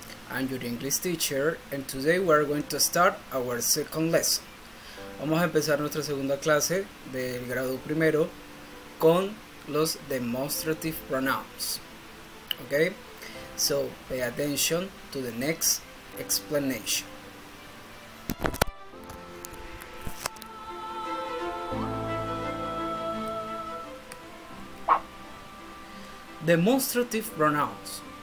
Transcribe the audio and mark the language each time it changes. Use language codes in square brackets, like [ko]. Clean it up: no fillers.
[en] I'm your English teacher, and today we are going to start our second lesson. [es] Vamos a empezar nuestra segunda clase del grado primero con los [en] demonstrative pronouns. Okay? So, pay attention to the next explanation. Demonstrative pronouns.